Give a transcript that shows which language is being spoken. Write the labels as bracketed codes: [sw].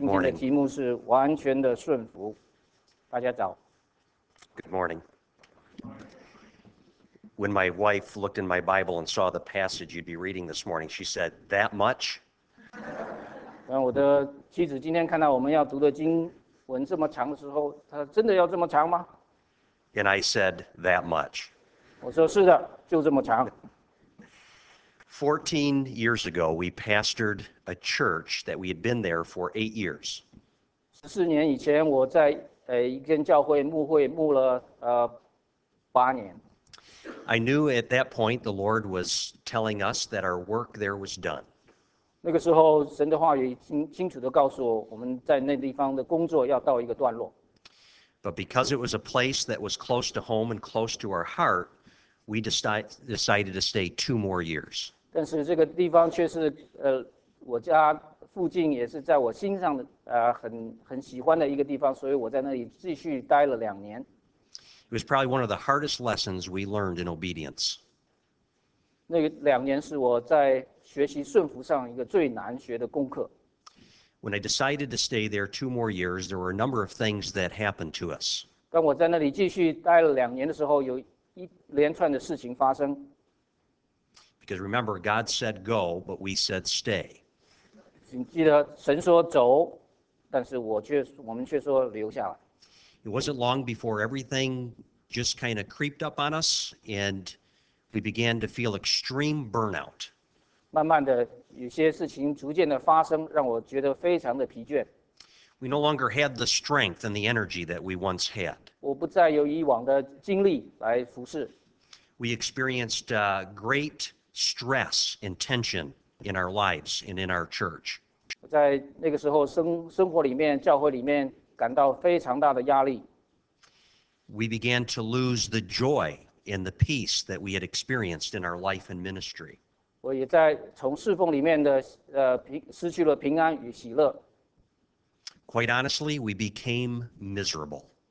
[zh] 今天的题目是完全的顺服。大家早。 [en] Good morning. When my wife looked in my Bible and saw the passage you'd be reading this morning, she said, "That much?" [zh] 当我的妻子今天看到我们要读的经文这么长的时候，她说：“真的要这么长吗？” [en] And I said, "That much." [zh] 我说：“是的，就这么长。” [en] 14 years ago, we pastored a church that we had been there for 8 years. [zh] 14年以前，我在一间教会牧会牧了八年。 [en] I knew at that point the Lord was telling us that our work there was done. [zh] 那个时候，神的话语清楚地告诉我，我们在那地方的工作要到一个段落。 [en] But because it was a place that was close to home and close to our heart, we decided to stay 2 more years. [zh] 但是这个地方却是我家附近，也是在我心上的很喜欢的一个地方，所以我在那里继续待了两年。 [en] It was probably one of the hardest lessons we learned in obedience. [zh] 那两年是我在学习顺服上一个最难学的功课。 [en] When I decided to stay there 2 more years, there were a number of things that happened to us. [zh] 当我在那里继续待了两年的时候，有一连串的事情发生。 [en] Because remember, God said go, but we said stay. [zh] 请记得神说走，但是我们却说留下来。 [en] It wasn't long before everything just kind of creeped up on us, and we began to feel extreme burnout. [zh] 慢慢的，有些事情逐渐的发生，让我觉得非常的疲倦。 [en] We no longer had the strength and the energy that we once had. [zh] 我不再有以往的精力来服侍。 [en] We experienced great stress and tension in our lives and in our church. [zh] 在那个时候生活里面，教会里面。感到非常大的压力。 [en] We began to lose the joy and the peace that we had experienced in our life and ministry. [zh] 我也在从侍奉里面的失去了平安与喜乐。 [en] Quite honestly, we became miserable.